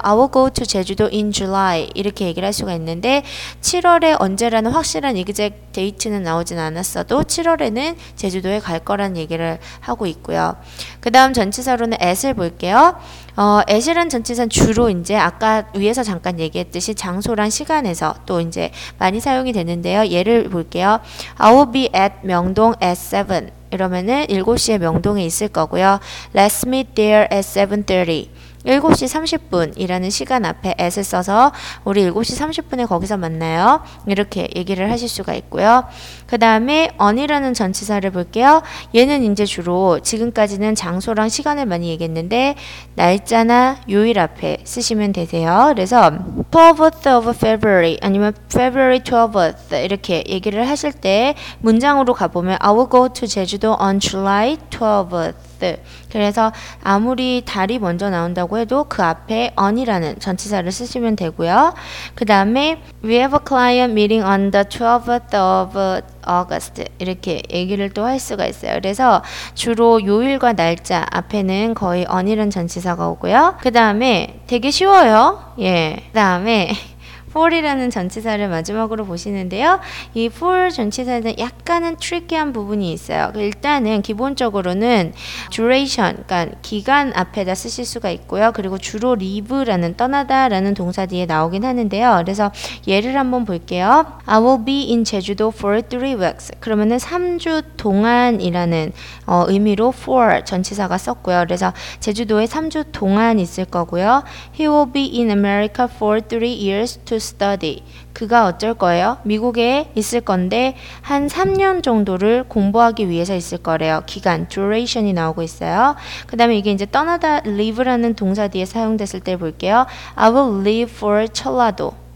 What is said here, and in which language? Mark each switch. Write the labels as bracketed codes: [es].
[en] I will go to 제주도 in July [ko] 이렇게 얘기를 할 수가 있는데 7월에 언제라는 확실한 [en] exact date [ko] 는 나오진 않았어도 7월에는 제주도에 갈 거란 얘기를 하고 있고 그 다음 전치사로는 at을 볼게요. at이란 전치사는 주로 이제 아까 위에서 잠깐 얘기했듯이 장소랑 시간에서 또 이제 많이 사용이 되는데요. 예를 볼게요. [en] I will be at 명동 at 7. [ko] 이러면은 7시에 명동에 있을 거고요. [en] Let's meet there at 7:30. [ko] 7시 30분이라는 시간 앞에 at을 써서 우리 7시 30분에 거기서 만나요. 이렇게 얘기를 하실 수가 있고요. 그 다음에 on이라는 전치사를 볼게요. 얘는 이제 주로 지금까지는 장소랑 시간을 많이 얘기했는데 날짜나 요일 앞에 쓰시면 되세요. 그래서 [en] 12th of February [ko] 아니면 [en] February 12th [ko] 이렇게 얘기를 하실 때 문장으로 가보면 [en] I will go to 제주도 on July 12th [ko] 그래서 아무리 달이 먼저 나온다고 해도 그 앞에 on이라는 전치사를 쓰시면 되고요. 그 다음에 [en] We have a client meeting on the 12th of August [ko] 이렇게 얘기를 또 할 수가 있어요. 그래서 주로 요일과 날짜 앞에는 거의 on이라는 전치사가 오고요. 그 다음에 되게 쉬워요. 예. 그 다음에 for이라는 전치사를 마지막으로 보시는데요. 이 for 전치사는 약간은 트리키한 부분이 있어요. 일단은 기본적으로는 duration, 그러니까 기간 앞에다 쓰실 수가 있고요. 그리고 주로 leave라는 떠나다라는 동사 뒤에 나오긴 하는데요. 그래서 예를 한번 볼게요. [en] I will be in 제주도 for 3 weeks. [ko] 그러면은 3주 동안이라는 의미로 for 전치사가 썼고요. 그래서 제주도에 3주 동안 있을 거고요. [en] He will be in America for 3 years to study. [ko] 그가 어쩔 거예요? 미국에 있을 건데 한 3년 정도를 공부하기 위해서 있을 거래요. 기간, duration이 나오고 있어요. 그 다음에 이게 이제 떠나다, leave라는 동사 뒤에 사용됐을 때 볼게요. [en] I will leave for 철라도.